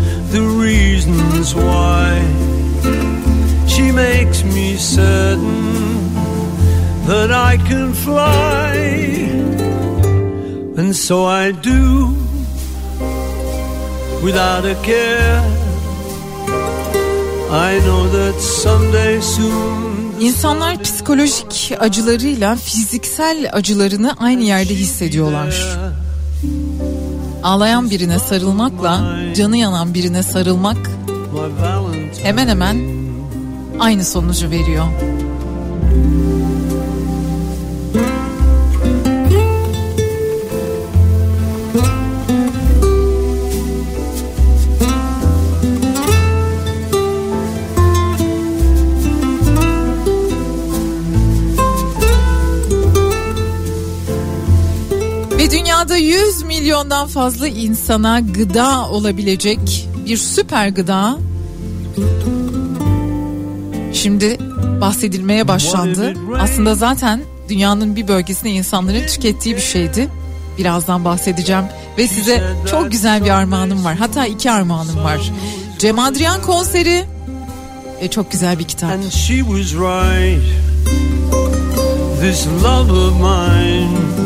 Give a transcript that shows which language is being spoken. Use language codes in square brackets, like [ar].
[en] The reasons why she makes me certain that I can fly, and so I do without a care. I know that someday soon. [tr] İnsanlar psikolojik acılarıyla fiziksel acılarını aynı yerde hissediyorlar. Ağlayan birine sarılmakla canı yanan birine sarılmak hemen hemen aynı sonucu veriyor. Dünyada 100 milyondan fazla insana gıda olabilecek bir süper gıda şimdi bahsedilmeye başlandı. Aslında zaten dünyanın bir bölgesinde insanların tükettiği bir şeydi. Birazdan bahsedeceğim ve size çok güzel bir armağanım var. Hatta iki armağanım var. Cem Adrian konseri ve çok güzel bir kitap. [en] And she was right, this love of mine.